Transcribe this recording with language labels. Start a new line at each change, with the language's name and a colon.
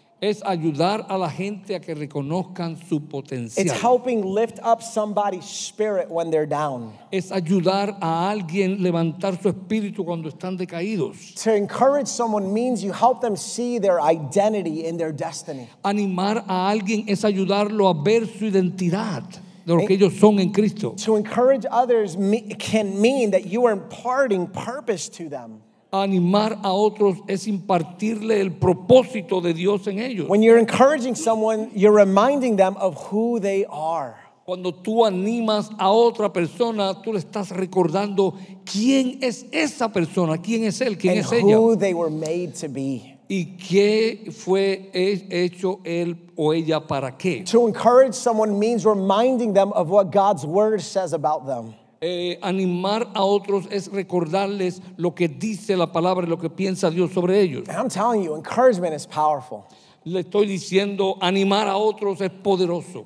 Spanish: Es ayudar a la gente a que reconozcan su potencial.
English: It's helping lift up somebody's spirit when they're down.
Spanish: Es ayudar a alguien levantar su espíritu cuando están decaídos.
English: To encourage someone means you help them see their identity and their destiny.
Spanish: Animar a alguien es ayudarlo a ver su identidad. De lo que ellos son en Cristo.
English: To encourage others can mean that you are imparting purpose to them.
Spanish: Animar a otros es impartirle el propósito de Dios en ellos.
English: When you're encouraging someone, you're reminding them of who they are.
Spanish: Cuando tú animas a otra persona, tú le estás recordando quién es esa persona, quién es él, quién
English: and
Spanish: es
English: who
Spanish: ella.
English: They were made to be.
Spanish: Y qué fue hecho él o ella para qué.
English: To encourage someone means reminding them of what God's word says about them.
Spanish: Animar a otros es recordarles lo que dice la palabra y lo que piensa Dios sobre ellos.
English: And I'm telling you, encouragement is powerful.
Spanish: Le estoy diciendo, animar a otros es poderoso.